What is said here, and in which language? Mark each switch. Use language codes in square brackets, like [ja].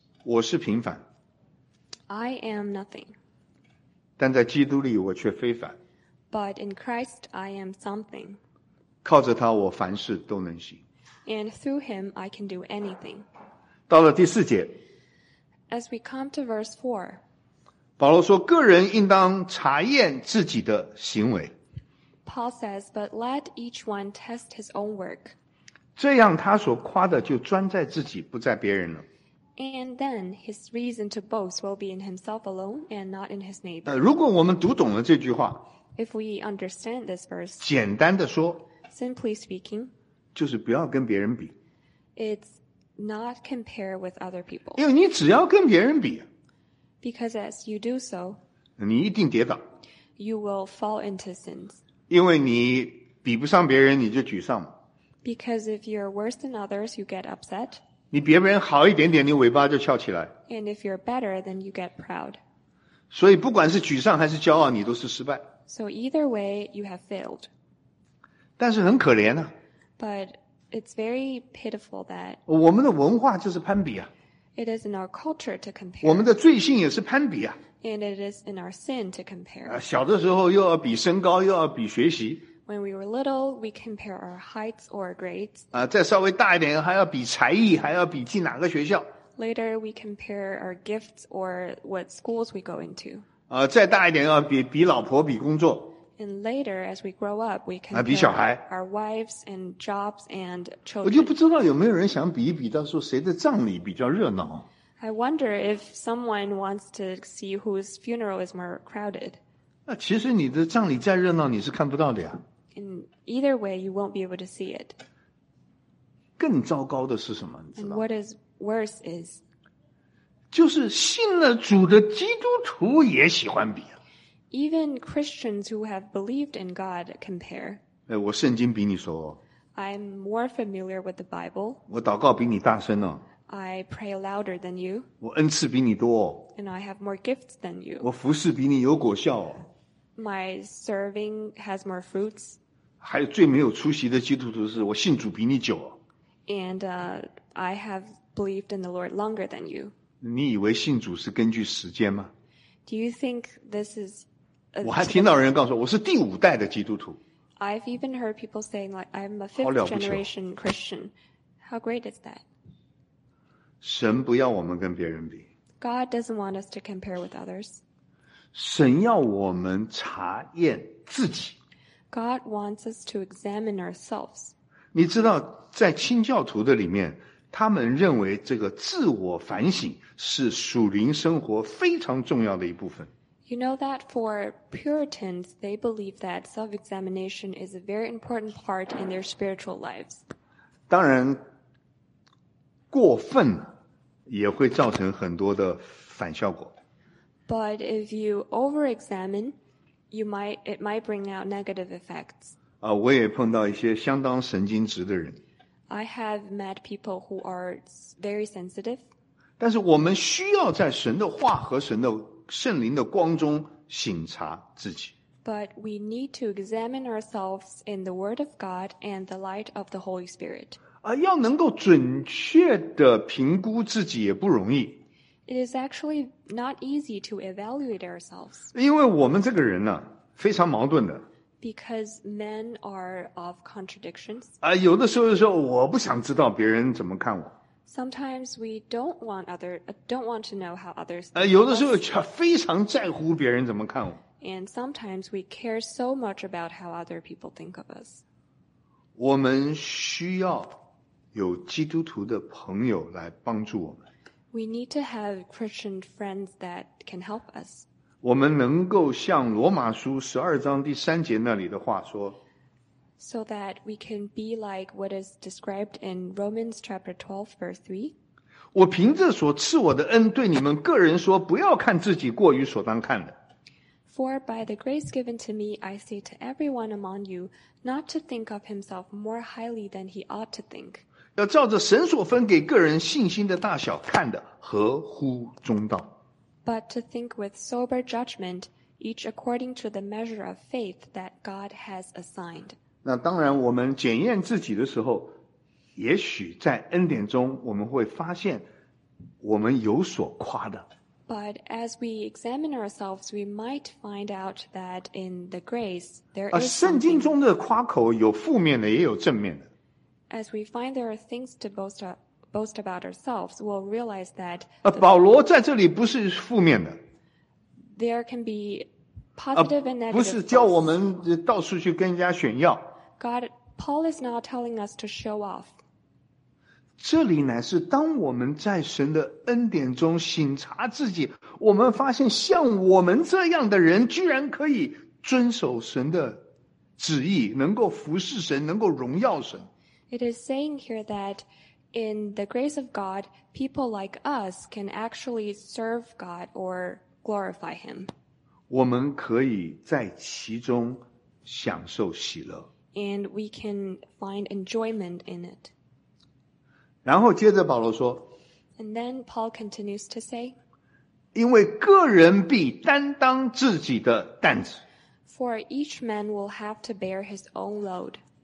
[zh] 我是平凡。 [en] I am nothing. [zh] 但在基督里我却非凡。 [en] But in Christ I am something. [zh] 靠着他我凡事都能行。 [en] And through him I can do anything. [zh] 到了第四节。 [en] As we come to verse 4. [zh] 保罗说个人应当查验自己的行为。 [en] Paul says, but let each one test his own work. [zh] 这样他所夸的就专在自己不在别人了。 [en] And then his reason to boast will be in himself alone and not in his neighbor. [zh] 如果我们读懂了这句话 [en] If we understand this verse, [zh] 简单的说 [en] simply speaking, [zh] 就是不要跟别人比 [en] It's not compare with other people. [zh] 因为你只要跟别人比 [en] Because as you do so, [zh] 你一定跌倒 [en] You will fall into sins. [zh] 因为你比不上别人你就沮丧 [en] Because if you're worse than others, you get upset. [zh] 你别人好一点点你尾巴就翘起来。 [en] And if you're better, then you get proud. [zh] 所以不管是沮丧还是骄傲你都是失败。 [en] So either way, you have failed. [zh] 但是很可怜啊。 [en] But it's very pitiful that [zh] 我们的文化就是攀比啊。 [en] It is in our culture to compare. [zh] 我们的罪性也是攀比啊。 [en] And it is in our sin to compare. [zh] 小的时候又要比身高又要比学习。 [en] When we were little, we compare our heights or grades. [zh] 啊，再稍微大一点，还要比才艺，还要比进哪个学校。 [en] Later, we compare our gifts or what schools we go into. [zh] 啊，再大一点，要比老婆，比工作。 [en] And later, as we grow up, we compare [zh] 啊，比小孩。 [en] Our wives and jobs and children. [zh] 我就不知道有没有人想比一比，到时候谁的葬礼比较热闹。 [en] I wonder if someone wants to see whose funeral is more crowded. [zh] 那其实你的葬礼再热闹你是看不到的呀。 [en] In either way, you won't be able to see it. [zh] 更糟糕的是什么你知道 [en] And what is worse is, [zh] 就是信了主的基督徒也喜欢比。 [en] Even Christians who have believed in God compare. [zh] 哎，我圣经比你熟哦。 [en] I'm more familiar with the Bible. [zh] 我祷告比你大声哦。 [en] I pray louder than you. [zh] 我恩赐比你多。 [en] And I have more gifts than you. [zh] 我服侍比你有果效。 [en] My serving has more fruits. [zh] 还有最没有出息的基督徒是我信主比你久。 [en] And I have believed in the Lord longer than you. [zh] 你以为信主是根据时间吗？ [en] Do you think this is? [zh] 我还听到人告诉我，我是第五代的基督徒。 [en] I've even heard people saying like I'm a fifth generation Christian. How great is that? [zh] 神不要我们跟别人比。 [en] God doesn't want us to compare with others. [zh] 神要我们查验自己。 [en] God wants us to examine ourselves. [zh] 你知道，在清教徒的里面，他们认为这个自我反省是属灵生活非常重要的一部分。 [en] You know that for Puritans, they believe that self-examination is a very important part in their spiritual lives. [zh] 当然，过分也会造成很多的反效果。 [en] But if you over-examine, it might bring out negative effects. [zh] 我也碰到一些相当神经质的人。 [en] I have met people who are very sensitive. [zh] 但是我们需要在神的话和神的圣灵的光中省察自己。 [en] But we need to examine ourselves in the Word of God and the light of the Holy Spirit. [zh] 要能够准确地评估自己也不容易。 [en] It is actually not easy to evaluate ourselves. [zh] 因为我们这个人呢，非常矛盾的。 [en] Because men are of contradictions. [zh] 有的时候说我不想知道别人怎么看我。 [en] Sometimes we don't want to know how others. [zh] 有的时候却非常在乎别人怎么看我。 [en] And sometimes we care so much about how other people think of us. [zh] 我们需要有基督徒的朋友来帮助我们。 [en] We need to have Christian friends that can help us. [zh] 我们能够像罗马书十二章第三节那里的话说。 [en] So that we can be like what is described in Romans chapter 12, verse 3. [zh] 我凭着所赐我的恩对你们个人说，不要看自己过于所当看的。 [en] For by the grace given to me, I say to everyone among you, not to think of himself more highly than he ought to think. [zh] 要照着神所分给个人信心的大小看的合乎中道。 [en] But to think with sober judgment, each according to the measure of faith that God has assigned. [zh] 那当然我们检验自己的时候，也许在恩典中我们会发现我们有所夸的。 [en] But as we examine ourselves, we might find out that in the grace, there is something. [zh] 圣经中的夸口有负面的，也有正面的。 [en] As we find there are things to boast about ourselves, we'll realize that. [zh] 保罗在这里不是负面的。 [en] There can be positive and negative. [zh] 不是叫我们到处去跟人家炫耀。 [en] Paul is not telling us to show off. [zh] 这里乃是当我们在神的恩典中省察自己，我们发现像我们这样的人居然可以遵守神的旨意，能够服侍神，能够荣耀神。 [en] It is saying here that in the grace of God, people like us can actually serve God or glorify Him. [zh] 我们可以在其中享受喜乐。 [en] And we can find enjoyment in it. [zh] 然后接着保罗说， [en] And then Paul continues to say, [zh] 因为个人必担当自己的担子。 [en] For each man will have to bear his own load.